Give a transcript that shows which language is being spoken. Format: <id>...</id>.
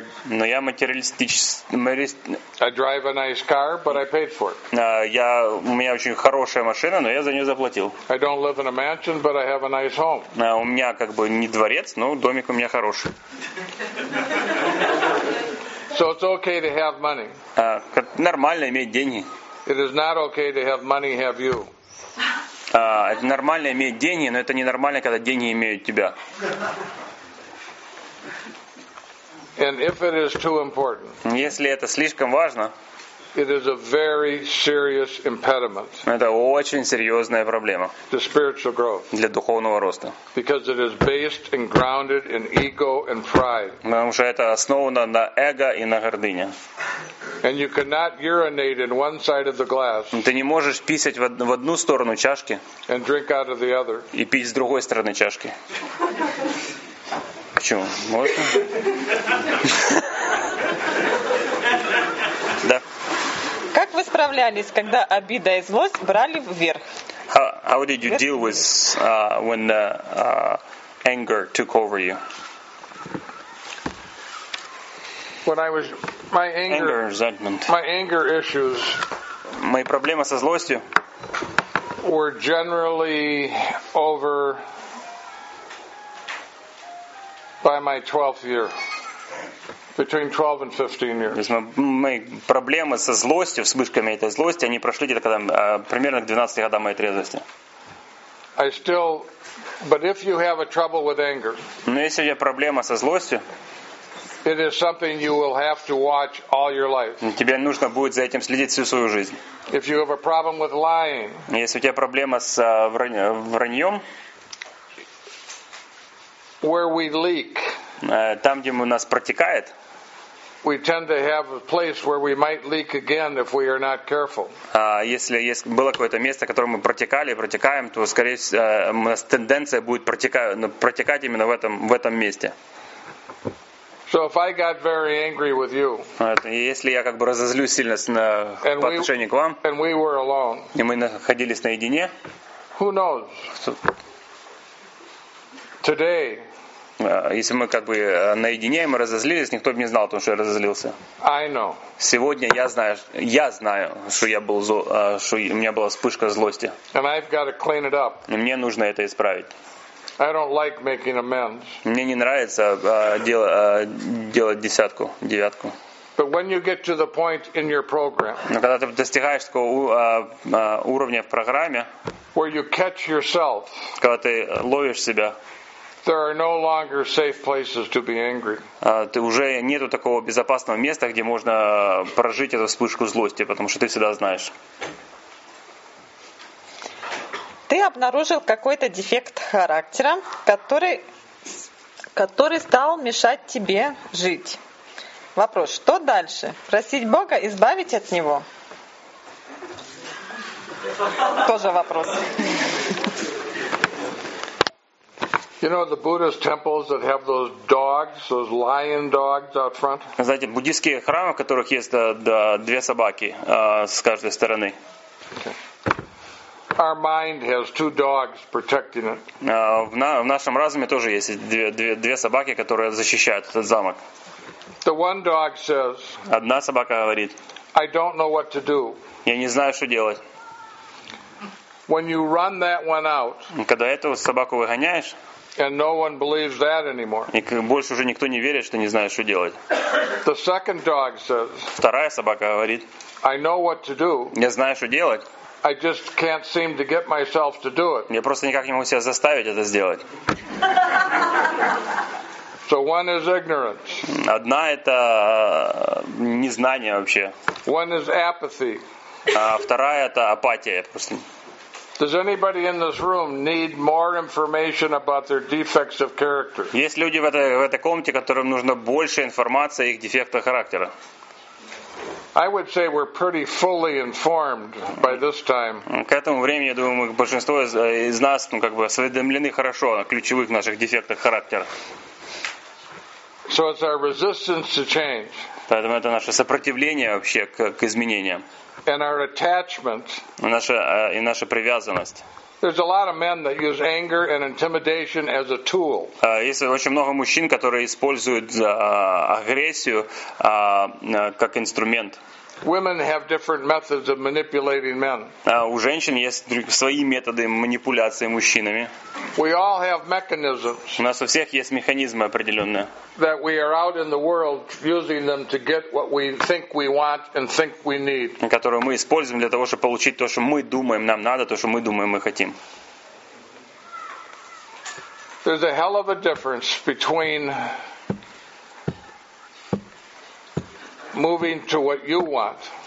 <ru>Но я материалистический.</ru> <en>I drive a nice car, but I paid for it.</en> <ru>У меня очень хорошая машина, но я за нее заплатил.</ru> <en>I don't live in a mansion, but I have a nice home.</en> <ru>У меня как бы не дворец, но домик у меня хороший.</ru> <en>So it's okay to have money.</en> <ru>Нормально иметь деньги.</ru> <en>It is not okay to have money have you.</en> <ru>Это нормально иметь деньги, но это ненормально, когда деньги имеют тебя.</ru> <en>And if it is too important,</en> <ru>если это слишком важно,</ru> <en>it is a very serious impediment.</en> <ru>Это очень серьезная проблема.</ru> <en>To spiritual growth.</en> <ru>Для духовного роста.</ru> <en>Because it is based and grounded in ego and pride.</en> <ru>Потому что это основано на эго и на гордыне.</ru> <en>And you cannot urinate in one side of the glass.</en> <ru>Ты не можешь писать в одну сторону чашки.</ru> <en>And drink out of the other.</en> <ru>И пить с другой стороны чашки. Почему? Можно? Да. Как вы справлялись, когда обида и злость брали вверх?</ru> <en>How did you deal with when the anger took over you? When I was my anger resentment. My anger issues.</en> <ru>Мои проблемы со злостью</ru> <en>were generally over by my 12th year. Between 12 and 15 years.</en> <ru>Мои проблемы со злостью, вспышками этой злости, они прошли где-то когда, примерно к 12 годам моей трезвости.</ru> <en>I still, but if you have a trouble with anger.</en> <ru>Но если у тебя проблема со злостью,</ru> <en>it is something you will have to watch all your life.</en> <ru>Тебе нужно будет за этим следить всю свою жизнь.</ru> <en>If you have a problem with lying.</en> <ru>Если у тебя проблема с враньем,</ru> <en>where we leak.</en> <ru>Там, где у нас протекает.</ru> <en>We tend to have a place where we might leak again if we are not careful.</en> <ru>Если есть было какое-то место, которое мы протекали и протекаем, то скорее у нас тенденция будет протекать именно в этом месте.</ru> <en>So if I got very angry with you.</en> <ru>Если я как бы разозлюсь сильно по отношению к вам.</ru> <en>And we were alone.</en> <ru>И мы находились наедине.</ru> <en>Who knows? Today.</en> <ru>Если мы как бы наедине, мы разозлились, никто бы не знал о том, что я разозлился.</ru> <en>I know.</en> <ru>Сегодня я знаю, что я был зол, что у меня была вспышка злости.</ru> <en>And I've got to clean it up.</en> <ru>И мне нужно это исправить.</ru> <en>I don't like making amends.</en> <ru>Мне не нравится делать десятку, девятку.</ru> <en>But when you get to the point in your program,</en> <ru>но когда ты достигаешь такого уровня в программе,</ru> <en>where you catch yourself,</en> <ru>когда ты ловишь себя,</ru> <en>There are no longer safe places to be angry.</en> <ru>Ты уже нету такого безопасного места, где можно прожить эту вспышку злости, потому что ты всегда знаешь. Ты обнаружил какой-то дефект характера, который стал мешать тебе жить. Вопрос: что дальше? Просить Бога избавить от него? Тоже вопрос.</ru> <en>You know the Buddhist temples that have those dogs, those lion dogs out front?</en> <ru>Знаете, буддийские храмы, в которых есть две собаки с каждой стороны.</ru> <en>Okay. Our mind has two dogs protecting it.</en> <ru>В нашем разуме тоже есть две собаки, которые защищают этот замок.</ru> <en>The one dog says.</en> <ru>Одна собака говорит.</ru> <en>I don't know what to do.</en> <ru>Я не знаю, что делать.</ru> <en>When you run that one out.</en> <ru>Когда эту собаку выгоняешь.</ru> <en>And no one believes that anymore.</en> <ru>И больше уже никто не верит, что не знает, что делать.</ru> <en>The second dog says.</en> <ru>Вторая собака говорит.</ru> <en>I know what to do.</en> <ru>Я знаю, что делать.</ru> <en>I just can't seem to get myself to do it.</en> <ru>Я просто никак не могу себя заставить это сделать.</ru> <en>So one is ignorance.</en> <ru>Одна это незнание вообще.</ru> <en>One is apathy.</en> <ru>А вторая это апатия просто.</ru> <en>Does anybody in this room need more information about their defects of character?</en> <ru>Есть люди в этой комнате, которым нужно больше информации о их дефектах характера?</ru> <en>I would say we're pretty fully informed by this time.</en> <ru>К этому времени, я думаю, мы большинство из нас, ну, как бы осведомлены хорошо о ключевых наших дефектах характера.</ru> <en>So it's our resistance to change.</en> <ru>Поэтому это наше сопротивление вообще к изменениям.</ru> <en>And our attachment.</en> <ru>И наша привязанность.</ru> <en>There's a lot of men that use anger and intimidation as a tool.</en> <ru>Есть очень много мужчин, которые используют агрессию как инструмент.</ru> <en>Women have different methods of manipulating men.</en> <ru>У женщин есть свои методы манипуляции мужчинами.</ru> <en>We all have mechanisms.</en> <ru>У нас у всех есть механизмы определенные.</ru> <en>That we are out in the world using them to get what we think we want and think we need.</en> <ru>Которые мы используем для того, чтобы получить то, что мы думаем нам надо, то, что мы думаем мы хотим.</ru> <en>There's a hell of a difference between moving to what you want.</en>